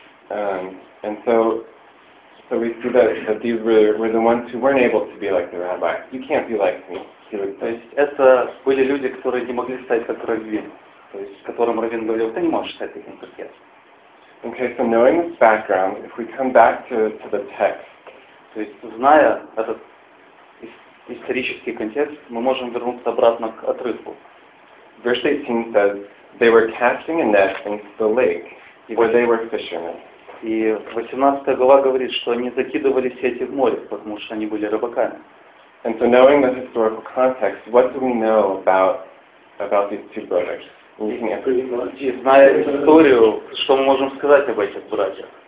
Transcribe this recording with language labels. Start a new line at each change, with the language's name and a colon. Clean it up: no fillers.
English: And so we see that these were the ones who weren't able to be like the rabbi. You can't be like me.
Russian: То есть это были люди, которые не могли стать как раввин, то есть которым раввин говорил, ты не можешь стать таким, как я.
English: Okay, so knowing this background, if we come back to the text,
Russian: то есть зная этот исторический контекст, мы можем вернуться обратно к отрывку.
English: Verse 18 says they were casting a net into the lake where they were fishermen.
Russian: И 18 глава говорит, что они закидывали сети в море, потому что они были рыбаками.
English: And so knowing the historical context, what do we know about these two brothers?
Russian: Зная историю, что мы можем сказать об этих братьях?